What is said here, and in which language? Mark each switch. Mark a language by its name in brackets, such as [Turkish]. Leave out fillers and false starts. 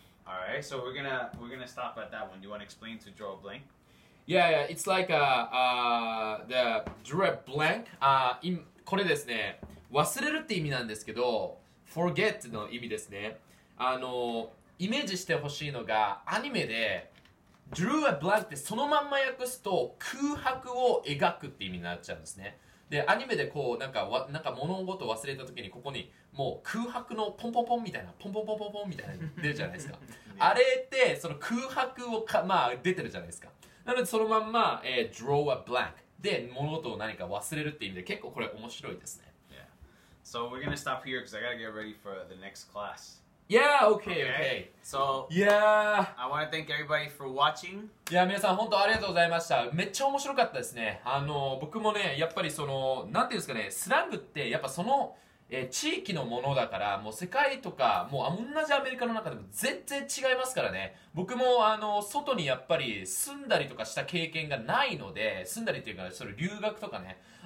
[English] All right, so we're gonna stop at that one. Do you want to explain to draw a blank? Yeah, it's like the draw a blank. [Japanese] これですね、忘れるって意味なんですけど、forget の意味ですね。イメージしてほしいのがアニメで draw a blank ってそのまんま訳すと空白を描くって意味になっちゃうんですね。で、アニメでこうなんか物事を忘れた時にここにもう空白のポンポンポンみたいなポンポンポンポンポンみたいな出るじゃないですか。あれってその空白をかまあ出てるじゃないですか。なのでそのまんま、draw a blank で物事を何か忘れるっていう意味で結構これ面白いですね。 [English] Yeah. So we're gonna stop here because I gotta get ready for the next class. Yeah. Okay. So yeah. I wanna thank everybody for watching. [Japanese] Yeah, 皆さん本当ありがとうございました。めっちゃ面白かったですね。僕もねやっぱりそのなんていうんですかねスラングってやっぱその地域のものだからもう世界とかもう同じアメリカの中でも全然違いますからね僕も外にやっぱり住んだりとかした経験がないので住んだりっていうかそれ留学とかね